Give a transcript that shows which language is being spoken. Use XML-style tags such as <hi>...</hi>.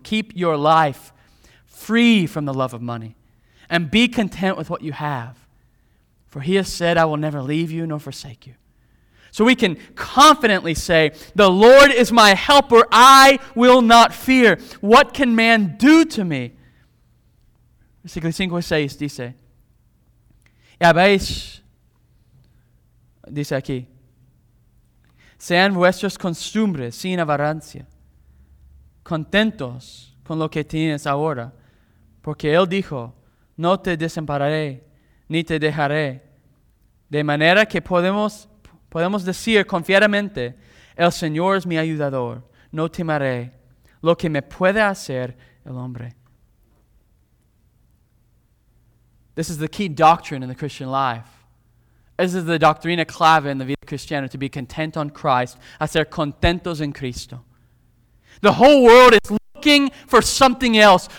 <en>Keep your life free from the love of money and be content with what you have. For He has said, I will never leave you nor forsake you. So we can confidently say, the Lord is my helper, I will not fear. What can man do to me?</en> <es>Versículo 5, 6 dice, y habéis, dice aquí, sean vuestras costumbres sin avarancia, contentos con lo que tienes ahora, porque Él dijo, no te desampararé, ni te dejaré, de manera que podemos decir confiadamente, el Señor es mi ayudador, no temeré lo que me puede hacer el hombre.</es> <en>This is the key doctrine in the Christian life. This is the</en> <es>doctrina clave</es> <en>in the</en> <es>vita cristiana,</es> <en>to be content on Christ,</en> <es>a ser contentos en Cristo.</es> <en>The whole world is looking for something else.</en>